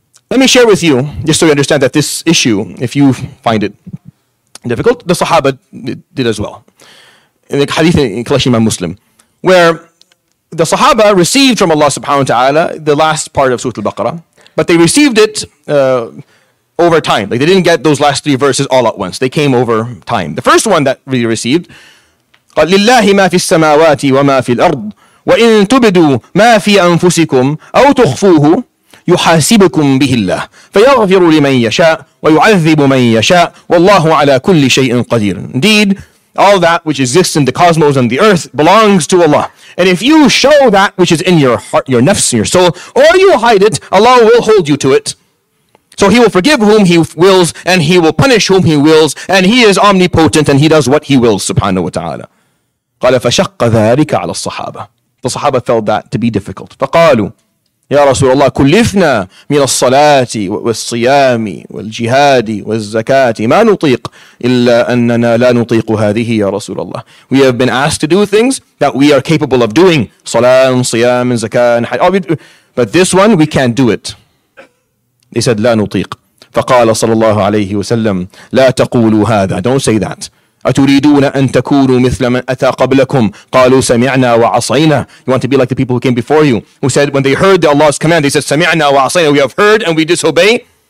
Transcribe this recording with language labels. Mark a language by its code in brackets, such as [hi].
[en] Let me share with you, just so you understand that this issue, if you find it difficult, the Sahaba did as well. In the hadith in Kalashi Imam Muslim, where the Sahaba received from Allah subhanahu wa ta'ala the last part of Surah Al-Baqarah, but they received it over time. Like, they didn't get those last three verses all at once. They came over time. The first one that we received, [ar] قَالْ لِلَّهِ مَا فِي السَّمَاوَاتِ وَمَا فِي الْأَرْضِ وَإِنْ تُبِدُوا مَا فِي أَنفُسِكُمْ أَوْ تُخْفُوهُ يُحَاسِبُكُمْ بِهِ اللَّهِ فَيَغْفِرُ لِمَنْ يَشَاءُ وَيُعَذِّبُ مَنْ يَشَاءُ وَاللَّهُ عَلَى كُلِّ شَيْءٍ قَدِيرٌ. [en] Indeed, all that which exists in the cosmos and the earth belongs to Allah. And if you show that which is in your heart, your nafs, your soul, or you hide it, Allah will hold you to it. So he will forgive whom he wills, and he will punish whom he wills, and he is omnipotent, and he does what he wills, subhanahu wa ta'ala. [ar] قَالَ فَشَقَّ ذَٰلِكَ عَلَى الصَّحَابَةِ. [en] The Sahaba felt that to be difficult. [ar] فَقَالُوا يَا رَسُولَ اللَّهِ كُلِّفْنَا مِنَ الصَّلَاةِ وَالصِّيَامِ وَالْجِهَادِ وَالزَّكَاةِ مَا نُطِيقُ إِلَّا أَنَّنَا لَا نُطِيقُ هَذِهِ يَا رَسُولَ اللَّهِ. [en] We have been asked to do things that we are capable of doing. [ar] صَلَاةً صِيَامٍ زَكَاةً. [en] But this one, we can't do it. They said, [ar] لا نطيق. فقال صلى الله عليه وسلم, لا تقولوا هذا. [en] Don't say that. [ar] أتريدون أن تكونوا مثل من أتى قبلكم قالوا سمعنا وعصينا. [en] You want to be like the people who came before you, who said when they heard Allah's command, they said [ar] سمعنا وعصينا. [en] We have heard and we disobey.